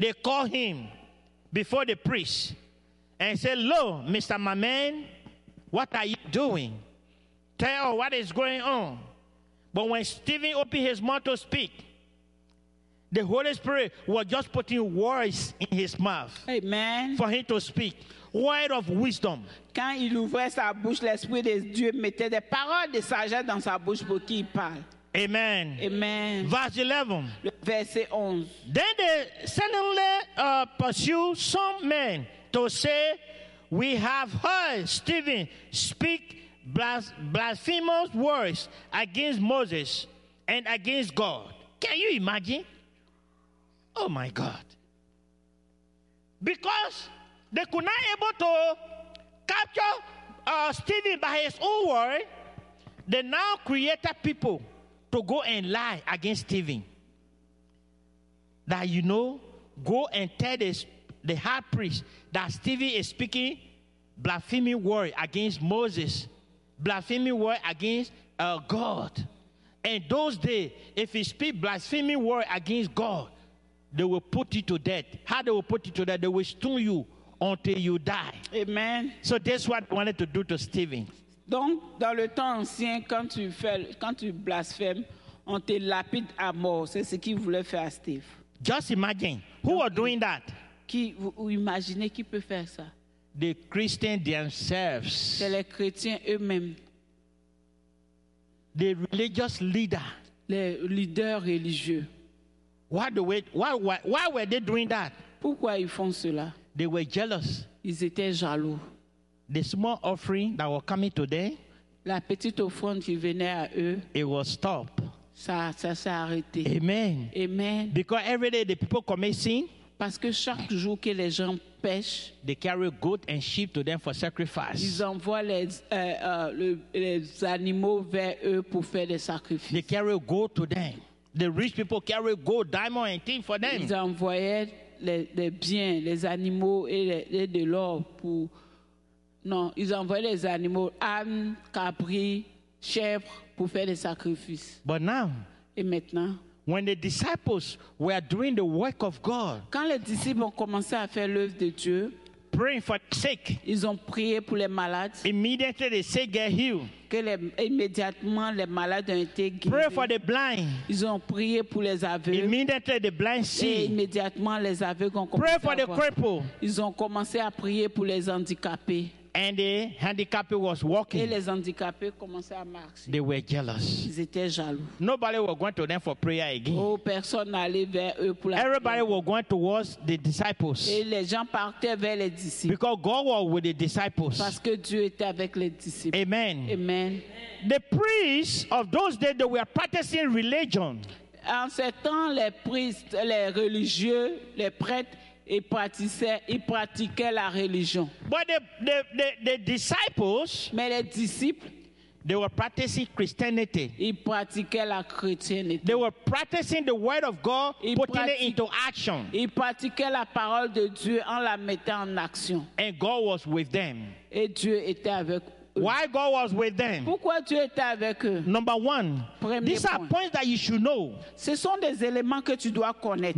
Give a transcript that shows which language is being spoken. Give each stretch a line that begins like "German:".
English: they called him before the priest and said, "Lo, Mr. My man, what are you doing? Tell what is going on." But when Stephen opened his mouth to speak, the Holy Spirit was just putting words in his mouth. Amen. For him to speak. Word of wisdom.
French: Quand il ouvrait sa bouche, l'Esprit de Dieu mettait des paroles de sagesse dans sa bouche pour qu'il parle.
English: Amen.
French: Amen.
English: Verse 11.
French: Verset 11.
English: Then they suddenly pursued some men to say, "We have heard Stephen speak blasphemous words against Moses and against God." Can you imagine? Oh my God. Because they could not able to capture Stephen by his own word, they now created people to go and lie against Stephen. That, you know, go and tell the high priest that Stephen is speaking blaspheming word against Moses, blaspheming word against God. And those days, if he speak blaspheming word against God, they will put you to death. How they will put you to death? They will stone you until you die. Amen. So that's what I wanted to do to Stephen.
French: Donc, dans le temps ancien, quand tu blasphèmes, on te lapide à mort. C'est ce qu'il voulait faire à Steve.
English: Just imagine. Who are doing that?
French: Vous imaginez qui peut faire ça?
English: The Christians themselves.
French: C'est les chrétiens eux-mêmes.
English: The religious leader.
French: Les leaders religieux.
English: Why were they doing that?
French: Pourquoi ils font cela?
English: They were jealous.
French: Ils étaient jaloux.
English: The small offering that was coming to them,
French: la petite offrande qui venait à eux,
English: it was stopped.
French: Ça s'est arrêté.
English: Amen.
French: Amen.
English: Because every day the people commit sin.
French: Parce que chaque jour que les gens pêchent,
English: they carry goat and sheep to them for sacrifice.
French: Ils envoient les animaux vers eux pour faire des sacrifices.
English: They carry goat to them. The rich people carry gold, diamond, and things for them.
French: Ils envoyaient les biens, les animaux et de l'or pour. Non, ils envoyaient les animaux, âne, cabri, chèvre, pour faire des sacrifices.
English: But now,
French: et maintenant,
English: when the disciples were doing the work of God,
French: quand les disciples ont commencé à faire l'œuvre de Dieu,
English: praying for sick.
French: Ils ont prié pour les malades.
English: Immediately the sick get healed.
French: Que les, immédiatement les malades ont été guéris.
English: Pray for the blind.
French: Ils ont prié pour les aveugles.
English: Immediately the blind see.
French: Et immédiatement les aveugles ont
English: commencé. Pray for the crippled.
French: Ils ont commencé à prier pour les handicapés.
English: And the handicapped was walking.
French: Et les handicapés commençaient à marcher.
English: They were jealous.
French: Ils étaient jaloux.
English: Nobody was going to them for prayer again.
French: Oh, personne n'allait vers eux pour la
English: Everybody
French: prière.
English: Was going towards the disciples.
French: Et les gens partaient vers les disciples.
English: Because God was with the disciples.
French: Parce que Dieu était avec les disciples.
English: Amen.
French: Amen.
English: The priests of those days they were practicing religion.
French: En ce temps, les priests, les religieux, les prêtres. Ils pratiquaient la religion.
English: But the disciples,
French: mais les disciples,
English: they were practicing Christianity.
French: Ils pratiquaient la chrétienté.
English: They were practicing the word of God, putting it into action.
French: Ils pratiquaient la parole de Dieu en la mettant en action.
English: And God was with them.
French: Et Dieu était avec eux.
English: Why God was with them?
French: Pourquoi Dieu était avec eux?
English: Number one.
French: Premier
English: these
French: point.
English: Are points that you should know.
French: Ce sont des éléments que tu dois connaître.